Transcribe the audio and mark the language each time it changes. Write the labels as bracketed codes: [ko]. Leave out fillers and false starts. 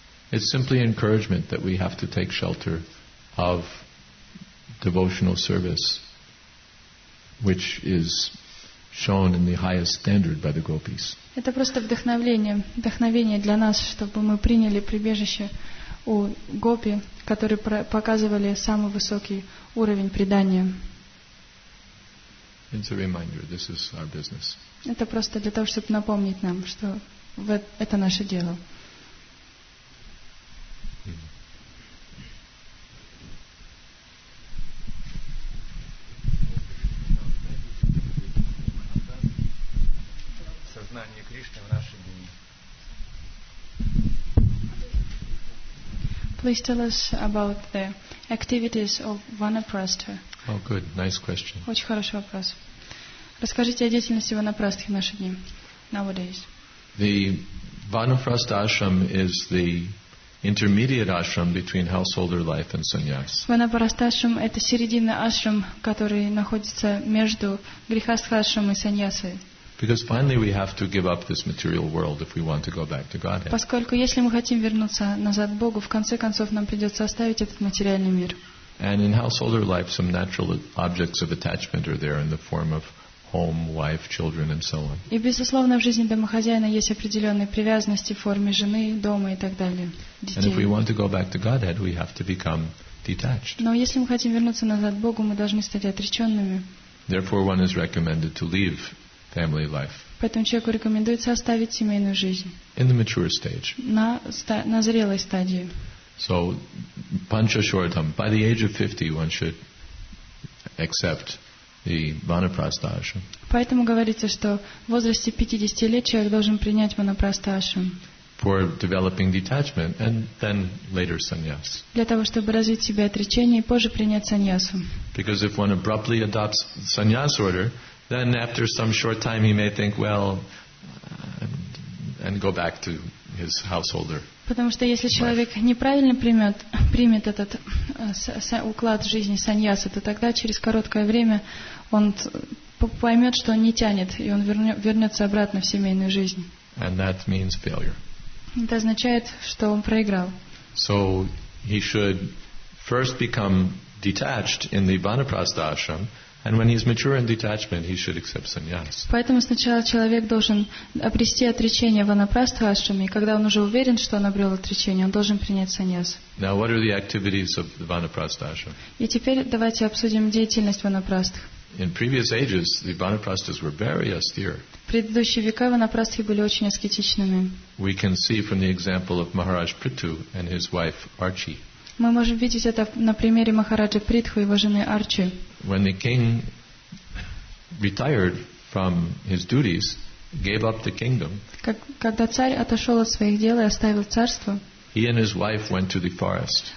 [en] It's simply encouragement that we have to take shelter of devotional service, which is shown in the highest standard by the gopis. [ru] Это просто вдохновение, вдохновение для нас, чтобы мы приняли прибежище у гопи, которые показывали самый высокий уровень предания. [en] It's a reminder, this is our business. [ru] Это просто для того, чтобы напомнить нам, что это наше дело. Сознание Кришны в наши дни. [en] Please tell us about the activities of Vanaprastha. Oh, good. Nice question. [ru] Очень хороший вопрос. Расскажите о деятельности Vanaprastha в наши дни, [en] nowadays. The Vanaprastha ashram is the intermediate ashram between householder life and sannyas. [ru] Vanaprastha ashram – это середина ashram, который находится между грихастха ashram и саньясой. [en] Because finally we have to give up this material world if we want to go back to Godhead. [ru] Поскольку если мы хотим вернуться назад к Богу, в конце концов нам придется оставить этот материальный мир. [en] And in householder life, some natural objects of attachment are there in the form of home, wife, children, and so on. [ru] И безусловно в жизни домохозяина есть определенные привязанности в форме жены, дома и так далее, детей. [en] And if we want to go back to Godhead, we have to become detached. [ru] Но если мы хотим вернуться назад к Богу, мы должны стать отреченными. [en] Therefore, one is recommended to leave family life. [ru] Поэтому человеку рекомендуется оставить семейную жизнь. [en] In the mature stage. [ru] На зрелой стадии. [en] So, panchashortam. By the age of 50, one should accept the vanaprastha ashram. [ru] Поэтому говорится, что в возрасте 50 лет человек должен принять vanaprastha ashram. [en] For developing detachment and then later sannyas. [ru] Для того, чтобы развить себя отречение и позже принять саньясу. [en] Because if one abruptly adopts sannyas order, then after some short time he may think, well, and go back to his householder. [ru] Потому что если человек неправильно примет этот уклад жизни саньяса, то тогда через короткое время он поймет, что он не тянет, и он вернется обратно в семейную жизнь. [en] And that means failure. [ru] Это означает, что он проиграл. [en] So he should first become detached in the vanaprastha ashram, and when he's mature in detachment, he should accept sannyas. [ru] Поэтому сначала человек должен обрести отречение в ванапрастха ашраме, и когда он уже уверен, что он обрел отречение, он должен принять саньяс. [en] Now, what are the activities of the vanaprastha ashram? [ru] И теперь давайте обсудим деятельность ванапрастх. [en] In previous ages, the vanaprasthas were very austere. [ru] В предыдущие века ванапрастхи были очень аскетичными. [en] We can see from the example of Maharaj Prithu and his wife Archi. [ru] Мы можем видеть это на примере Махараджа Притху и его жены Арчи. [en] When the king retired from his duties, gave up the kingdom. [ru] Когда царь отошел от своих дел и оставил царство. [en] He and his wife went to the forest.